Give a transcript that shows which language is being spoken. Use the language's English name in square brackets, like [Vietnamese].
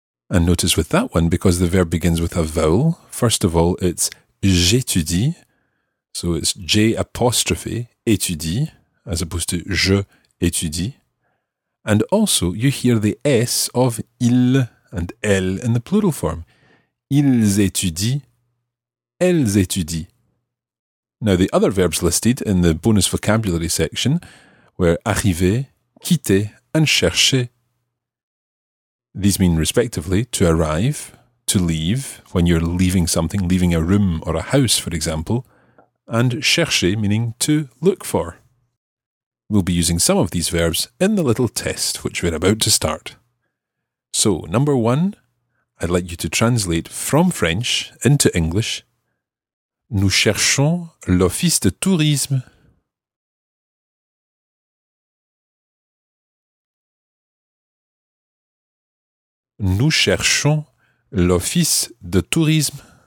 [English] And notice with that one, because the verb begins with a vowel, first of all, it's j'étudie, so it's j apostrophe, étudie, as opposed to je étudie. And also, you hear the S of il and elle in the plural form. [French] Ils étudient, elles étudient. [English] Now, the other verbs listed in the bonus vocabulary section were arriver, quitter, and chercher. These mean, respectively, to arrive, to leave, when you're leaving something, leaving a room or a house, for example, and chercher, meaning to look for. We'll be using some of these verbs in the little test, which we're about to start. So, number one, I'd like you to translate from French into English. [French] Nous cherchons l'office de tourisme. Nous cherchons l'office de tourisme.